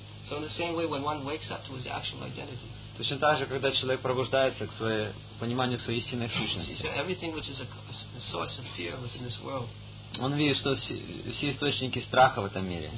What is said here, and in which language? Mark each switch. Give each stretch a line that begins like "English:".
English: So in the same way, when one wakes up to his actual identity.
Russian: Точно так же, когда человек пробуждается к своему пониманию своей истинной сущности.
English: So everything which is a source of fear within this world.
Russian: Он видит, что все источники страха в этом мире.